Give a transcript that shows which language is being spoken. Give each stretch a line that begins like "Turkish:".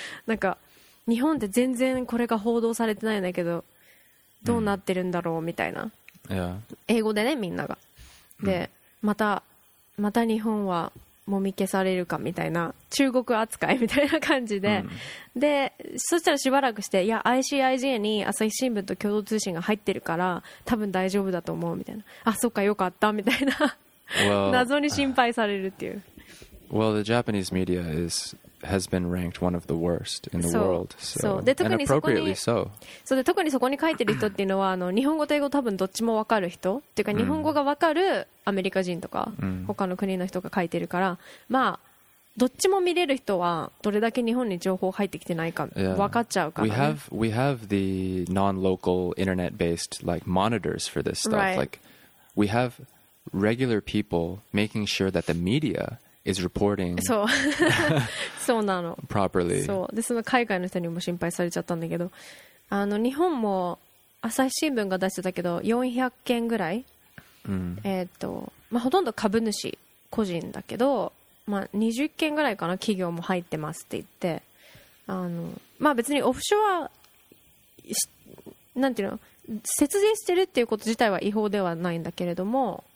Japanese: なんか日本って全然これが報道されてないんだけど、どうなってるんだろうみたいな、英語でね、みんながで、また日本はもみ消されるかみたいな、中国扱いみたいな感じで、でそしたらしばらくして、いや ICIJ に朝日新聞と共同通信が入ってるから多分大丈夫だと思うみたいな、あそっかよかったみたいな、謎に心配されるっていう。
English: Well, the Japanese media has been ranked one of the worst in the world.
Japanese: そうで、特にそこに、そうで、特にそこに書いてる人っていうのは、日本語と英語多分どっちも分かる人っていうか、日本語が分かるアメリカ人とか、他の国の人が書いてるから、まあどっちも見れる人はどれだけ日本に情報入ってきてないか分かっちゃうから、ね。
English: We have the non-local internet-based like monitors for this stuff.、 Right. Like we have regular people making sure that the media. Is reporting
Japanese: そうそうなの
English: properly.
Japanese: そうで、その海外の人にも心配されちゃったんだけど、日本も朝日新聞が出してたけど400件ぐらい、まあ、ほとんど株主個人だけど、まあ、20件ぐらいかな、企業も入ってますって言って、まあ別にオフショアなんていうの、節税してるっていうこと自体は違法ではないんだけれども、